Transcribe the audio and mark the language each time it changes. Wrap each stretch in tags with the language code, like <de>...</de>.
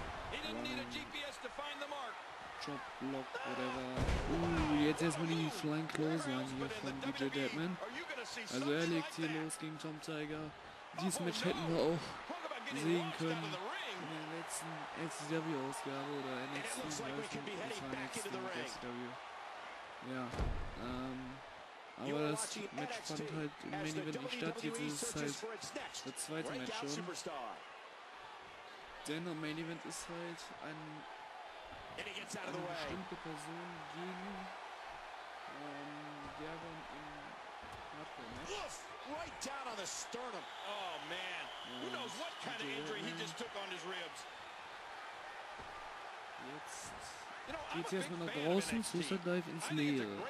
<en>He didn't need a GPS to find the mark. Chop block, whatever.</en> <de>Jetzt erstmal die Flying Clothesline hier von DJ Deadman. Also er legt hier los gegen Tom Tiger. Dieses Match hätten wir auch sehen können in der letzten XW-Ausgabe oder NXT-Ausgabe. Ja, aber das Match fand halt im Main Event nicht statt, jetzt ist es halt das zweite Match schon. Denn am Main Event ist halt eine bestimmte Person gegen Dagon im Hardcore-Match.</de> <en>Right down on the sternum. Oh man, who knows what kind of injury he just took on his ribs.</en> <de>Jetzt geht es erstmal nach draußen, Suicide Dive ins Leere.</de>